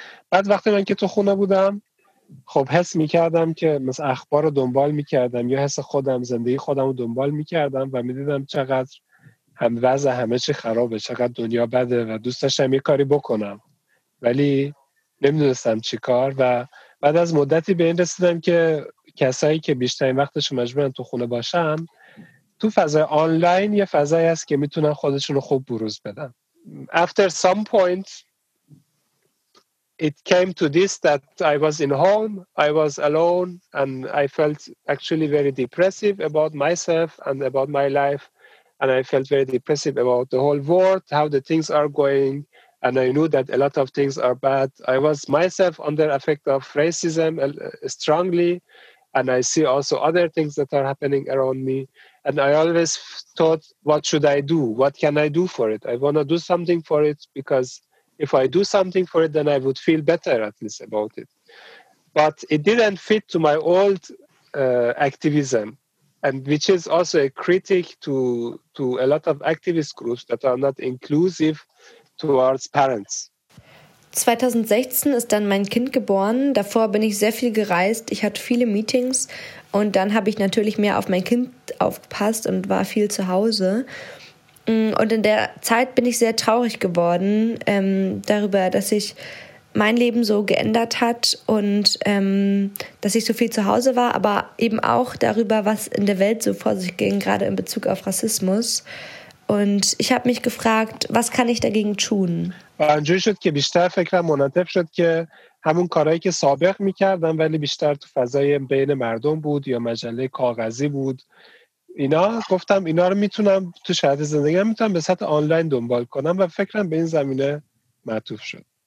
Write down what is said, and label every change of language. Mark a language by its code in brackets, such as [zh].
[fa] بعد وقتی من که تو خونه بودم، خب حس میکردم که مثلا اخبار رو دنبال میکردم یا حس خودم زندگی خودم رو دنبال میکردم و میدیدم چقدر هم وضع همه چی خرابه، چقدر دنیا بده و دوست داشتم یه کاری بکنم ولی نمیدونستم چی کار. و بعد از مدتی به این رسیدم که کسایی که بیشترین وقتش مجبورن تو خونه باشن، تو فضای آنلاین یه فضایی هست که میتونن خودشون رو خوب بروز بدن. [en] after some point, it came to this that I was in home, I was alone, and I felt actually very depressive about myself and about my life. And I felt very depressive about the whole world, how the things are going. And I knew that a lot of things are bad. I was myself under effect of racism strongly. And I see also other things that are happening around me. And I always thought, what should I do? What can I do for it? I want to do something for it, because if I do something for it, then I would feel better at least about it. But it didn't fit to my old activism, and which is also a critique to a lot of activist groups that are not inclusive towards parents. [de] 2016 ist dann mein Kind geboren. Davor bin ich sehr viel gereist. Ich hatte viele Meetings und dann habe ich natürlich mehr auf mein Kind aufgepasst und war viel zu Hause. Und in der Zeit bin ich sehr traurig geworden darüber, dass sich mein Leben so geändert hat und dass ich so viel zu Hause war, aber eben auch darüber, was in der Welt so vor sich ging, gerade in Bezug auf Rassismus. Und ich habe mich gefragt, was kann ich dagegen tun? [fa] اونجوری شد که بیشتر فکرم منطف شد که همون کارهایی که سابق میکردم ولی بیشتر تو فضای بین مردم بود یا مجله کاغذی بود اینا، گفتم اینا رو میتونم تو شرط زندگی هم میتونم به سطح آنلاین دنبال کنم و فکرم به این زمینه معطوف شد.